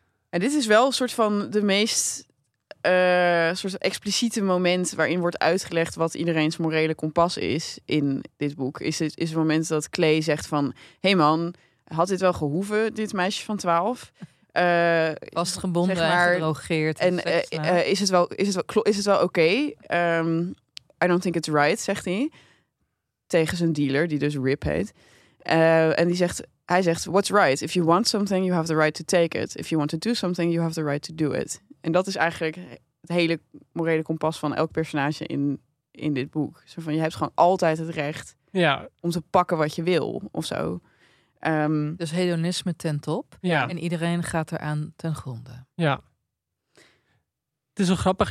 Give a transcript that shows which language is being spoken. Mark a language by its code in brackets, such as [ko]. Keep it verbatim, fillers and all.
[nl] En dit is wel een soort van de meest... Uh, soort expliciete moment waarin wordt uitgelegd wat iedereens morele kompas is in dit boek. Is het, is het moment dat Clay zegt van... Hé hey man, had dit wel gehoeven, dit meisje van twaalf? Uh, Vastgebonden, zeg maar, en gedrogeerd. En uh, uh, is het wel, is het wel, klo- is het wel oké? [en] Okay? Um, I don't think it's right, [nl] zegt hij. Tegen zijn dealer, die dus Rip heet. Uh, en die zegt... Hij zegt, [en] what's right? If you want something, you have the right to take it. If you want to do something, you have the right to do it. [nl] En dat is eigenlijk het hele morele kompas van elk personage in, in dit boek. Zo van, je hebt gewoon altijd het recht ja. om te pakken wat je wil, of zo. Um, dus hedonisme ten top. Ja. En iedereen gaat eraan ten gronde. Ja. Het is wel grappig.